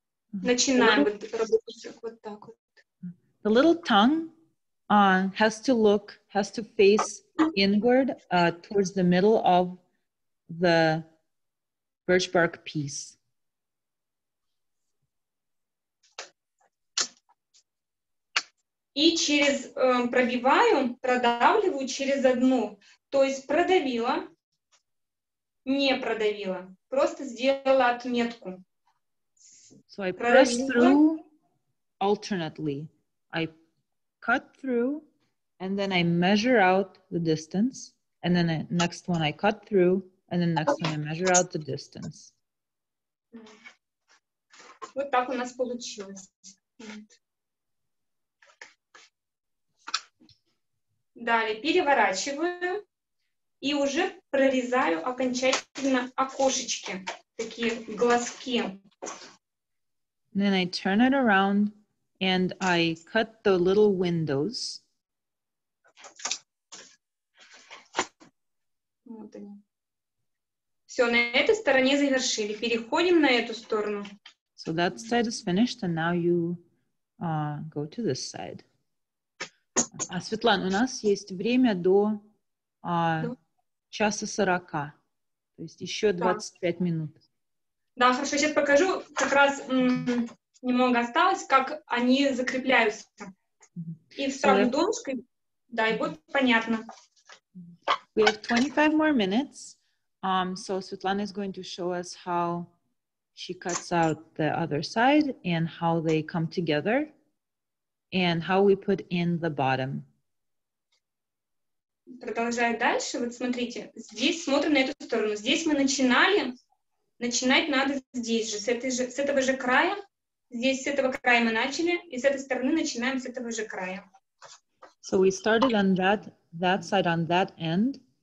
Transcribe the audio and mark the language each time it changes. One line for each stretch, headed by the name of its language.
Russian: Начинаем работать вот так вот.
English: The little tongue has to look, has to face inward towards the middle of the birch bark piece.
Russian: И через пробиваю, продавливаю через одну. То есть продавила, не продавила, просто сделала отметку.
English: So I press through alternately. I cut through and then I measure out the distance. And then next one I cut through and then next one I measure out the distance.
Russian: Вот так у нас получилось. Далее переворачиваю и уже прорезаю окончательно окошечки, такие глазки.
English: Then I turn it around and I cut the little windows.
Russian: Вот они. Все, на этой стороне завершили. Переходим на эту сторону.
English: So that side is finished, and now you go to this side.
Russian: А, Светлана, у нас есть время до часа 40. То есть еще 25 да. минут. Да, хорошо, сейчас покажу. Как раз немного осталось, как они закрепляются. И вставлю донышко, да, и будет понятно.
English: We have 25 more minutes. So Svetlana is going to show us how she cuts out the other side and how they come together and how we put in the bottom.
Russian: Продолжаю дальше. Вот смотрите, здесь смотрим на эту сторону. Здесь мы начинали. Начинать надо здесь же, с этого же края. Здесь с этого края мы начали, и с этой стороны начинаем с этого же края.
English: So we started on that side, on that end.